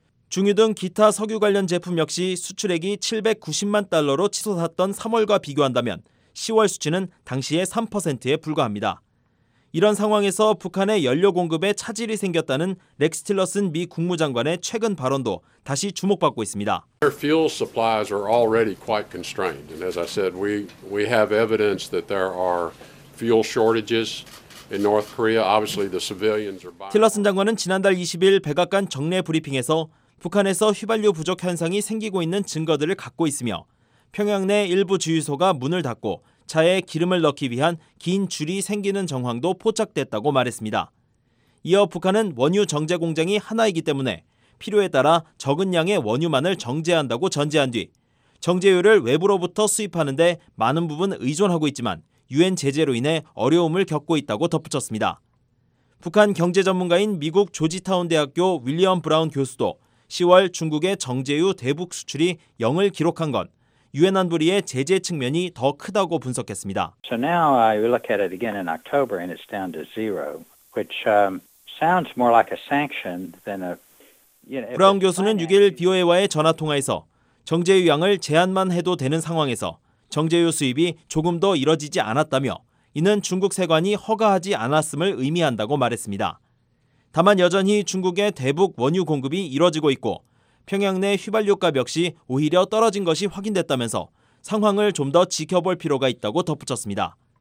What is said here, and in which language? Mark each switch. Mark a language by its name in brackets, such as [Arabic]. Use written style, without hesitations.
[Korean] 중유 등 기타 석유 관련 제품 역시 수출액이 790만 달러로 치솟았던 3월과 비교한다면 10월 수치는 당시의 3%에 불과합니다. 이런 상황에서 북한의 연료 공급에 차질이 생겼다는 렉스 틸러슨 미 국무장관의 최근 발언도 다시 주목받고 있습니다. [English] Our fuel supplies are already quite constrained. And as I said, we have evidence that there are fuel shortages. [Korean] 틸러슨 장관은 지난달 20일 백악관 정례 브리핑에서 북한에서 휘발유 부족 현상이 생기고 있는 증거들을 갖고 있으며 평양 내 일부 주유소가 문을 닫고 차에 기름을 넣기 위한 긴 줄이 생기는 정황도 포착됐다고 말했습니다. 이어 북한은 원유 정제 공장이 하나이기 때문에 필요에 따라 적은 양의 원유만을 정제한다고 전제한 뒤 정제유를 외부로부터 수입하는 데 많은 부분 의존하고 있지만 유엔 제재로 인해 어려움을 겪고 있다고 덧붙였습니다. 북한 경제 전문가인 미국 조지타운 대학교 윌리엄 브라운 교수도 10월 중국의 정제유 대북 수출이 0을 기록한 건 유엔 안보리의 제재 측면이 더 크다고 분석했습니다. [English] So now I look at it again in October and it's down to zero, which sounds more like a sanction than a. [Korean] 브라운 교수는 6일 BOA와의 전화 통화에서 정제유 양을 제한만 해도 되는 상황에서 정제유 수입이 조금 더 이뤄지지 않았다며 이는 중국 세관이 허가하지 않았음을 의미한다고 말했습니다. 다만 여전히 중국의 대북 원유 공급이 이뤄지고 있고 평양 내 휘발유 값 역시 오히려 떨어진 것이 확인됐다면서 상황을 좀 더 지켜볼 필요가 있다고 덧붙였습니다.